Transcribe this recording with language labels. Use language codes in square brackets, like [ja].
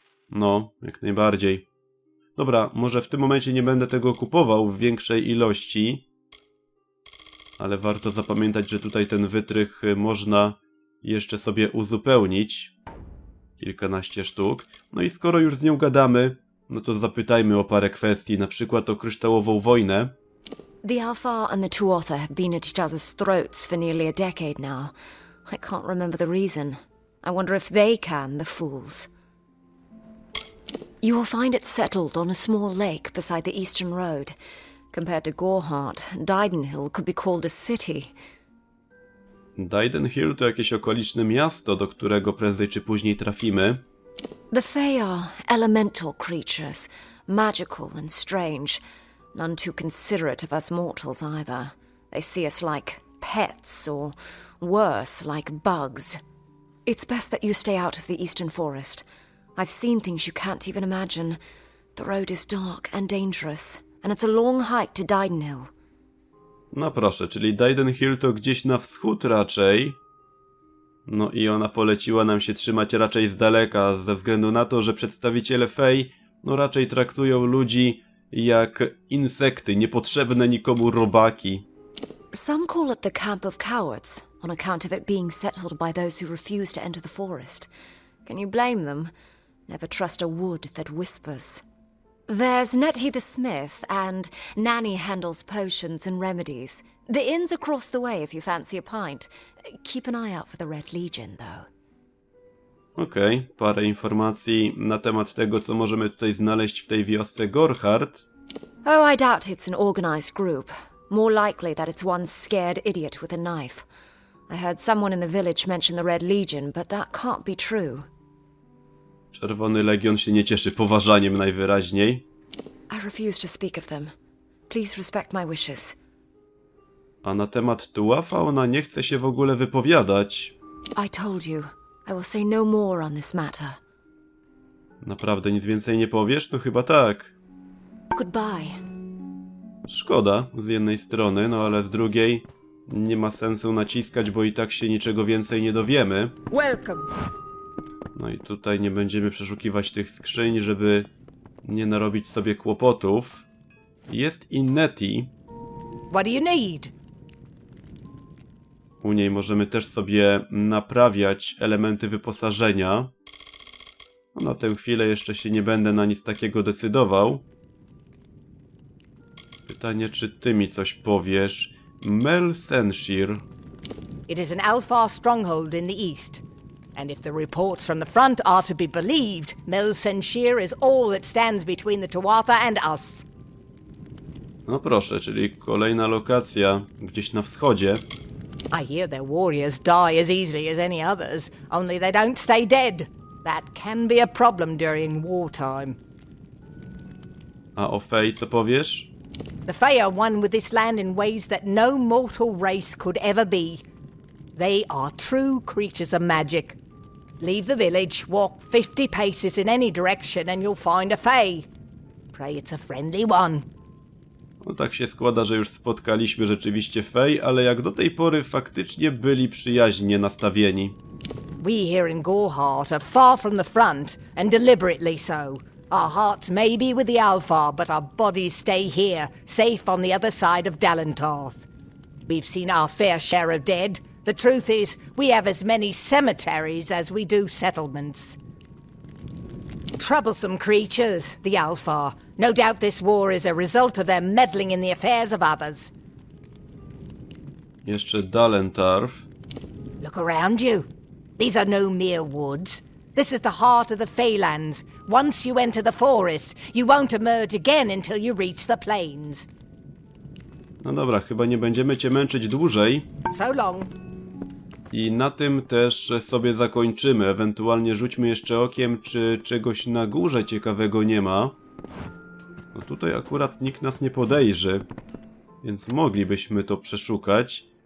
[pl] No, jak najbardziej. Dobra, może w tym momencie nie będę tego kupował w większej ilości. Ale warto zapamiętać, że tutaj ten wytrych można jeszcze sobie uzupełnić. Kilkanaście sztuk. No i skoro już z nią gadamy, no to zapytajmy o parę kwestii, na przykład o kryształową wojnę. [en] The Alpha and the Two Author have been at each other's throats for nearly a decade now. I can't remember the reason. I wonder if they can, the fools. You will find it settled on a small lake beside the eastern road. Compared to Gorehart, Dydenhill could be called a city. [pl] Dydenhill to jakieś okoliczne miasto, do którego prędzej czy później trafimy. [en] The Fae are elemental creatures, magical and strange. None too considerate of us mortals either. They see us like pets or worse, like bugs. It's best that you stay out of the eastern forest. I've seen things you can't even imagine. The road is dark and dangerous, and it's a long hike to Dydenhill. [pl] No proszę, czyli Dydenhill to gdzieś na wschód raczej. No i ona poleciła nam się trzymać raczej z daleka, ze względu na to, że przedstawiciele Fey no raczej traktują ludzi jak insekty, niepotrzebne nikomu robaki. [en] Some call it the Camp of Cowards, on account of it being settled by those who refuse to enter the forest. Can you blame them? Never trust a wood that whispers. There's Nettie the Smith, and Nanny handles potions and remedies. The inn's across the way if you fancy a pint. Keep an eye out for the Red Legion, though. [pl] Okej, okay, parę informacji na temat tego, co możemy tutaj znaleźć w tej wiosce Gorehart. [en] Oh, I doubt it's an organized group. More likely that it's one scared idiot with a knife. I heard someone in the village mention the Red Legion, but that can't be true. [pl] Czerwony Legion się nie cieszy poważaniem najwyraźniej. [en] I refuse to speak of them. Please respect my wishes. [pl] A na temat Tuafa ona nie chce się w ogóle wypowiadać. [en] I told you. I will say no more on this matter. [pl] Naprawdę nic więcej nie powiesz? No chyba tak. [en] Goodbye. [pl] Szkoda z jednej strony, no ale z drugiej nie ma sensu naciskać, bo i tak się niczego więcej nie dowiemy. [en] Welcome. [pl] No i tutaj nie będziemy przeszukiwać tych skrzyń, żeby nie narobić sobie kłopotów. Jest i Nettie. [en] What do you need? [pl] U niej możemy też sobie naprawiać elementy wyposażenia. No, na tę chwilę jeszcze się nie będę na nic takiego decydował. Pytanie, czy ty mi coś powiesz? [en] Mel Senshir. It is an Alpha stronghold in the east. And if the reports from the front are to be believed, Mel Senshir is all that stands between the Tuatha and us. [pl] No proszę, czyli kolejna lokacja gdzieś na wschodzie. [en] I hear their warriors die as easily as any others, only they don't stay dead. That can be a problem during wartime. [pl] A o Fey co powiesz? [en] The Fae are one with this land in ways that no mortal race could ever be. They are true creatures of magic. Leave the village, walk 50 paces in any direction and you'll find a Fae. Pray it's a friendly one. [pl] No tak się składa, że już spotkaliśmy rzeczywiście Fae, ale jak do tej pory faktycznie byli przyjaźnie nastawieni. [en] We here in Gorehart are far from the front and deliberately so. Our hearts may be with the Alpha, but our bodies stay here, safe on the other side of Dalentarth. We've seen our fair share of dead, The truth is, we have as many cemeteries as we do settlements. Troublesome creatures, the Alfar. No doubt this war is a result of their meddling in the affairs of others. [pl] Jeszcze Dalentarf. [en] Look around you. These are no mere woods. This is the heart of the Feylands. Once you enter the forest, you won't emerge again until you reach the plains. [pl] No dobra, chyba nie będziemy cię męczyć dłużej. [en] So long. [pl] I na tym też sobie zakończymy. Ewentualnie rzućmy jeszcze okiem, czy czegoś na górze ciekawego nie ma. No tutaj akurat nikt nas nie podejrzy, więc moglibyśmy to przeszukać.